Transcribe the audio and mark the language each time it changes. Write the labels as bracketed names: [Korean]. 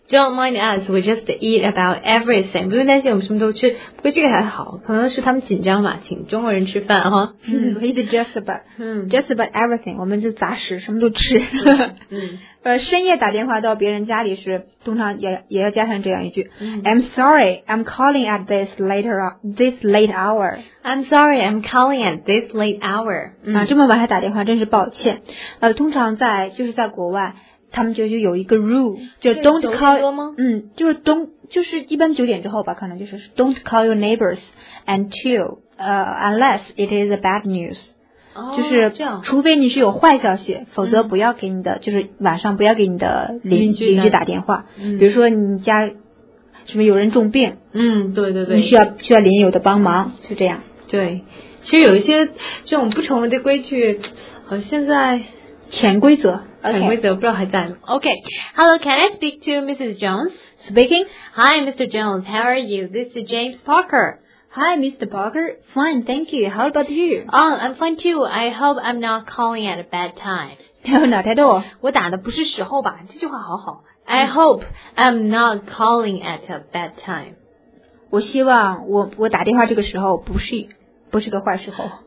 [English] Don't mind us, we just eat about everything. [Chinese] 不用担心，我们什么都吃。不过这个还好，可能是他们紧张吧，请中国人吃饭哈。嗯 ， [English] we eat just about everything. [Chinese] 我们就杂食，什么都吃。嗯，深夜打电话到别人家里时，通常也要加上这样一句 ： [English] I'm sorry, I'm calling at this late hour. I'm sorry, I'm calling at this late hour. [Chinese] 啊，这么晚还打电话，真是抱歉。通常在就是在国外，他们就有一个 rule, 就 [English] don't call, 就是一般九点之后吧，可能就是 don't call your neighbors unless it is a bad news, [Chinese] 就是除非你是有坏消息，否则不要给你的，就是晚上不要给你的邻居打电话，比如说你家什么有人重病，对对对，你需要邻友的帮忙，是这样。对，其实有一些这种不成文的规矩，现在潜规则，潜规则不知道还在吗 [English] ？OK, Hello, can I speak to Mrs. Jones? Speaking. Hi, Mr. Jones, how are you? This is James Parker. Hi, Mr. Parker. Fine, thank you. How about you? Oh, I'm fine too. I hope I'm not calling at a bad time. No, not at all. [Chinese] 我打的不是时候吧？这句话好好。 [English] I hope I'm not calling at a bad time. [Chinese] 我希望我打电话这个时候不是个坏时候。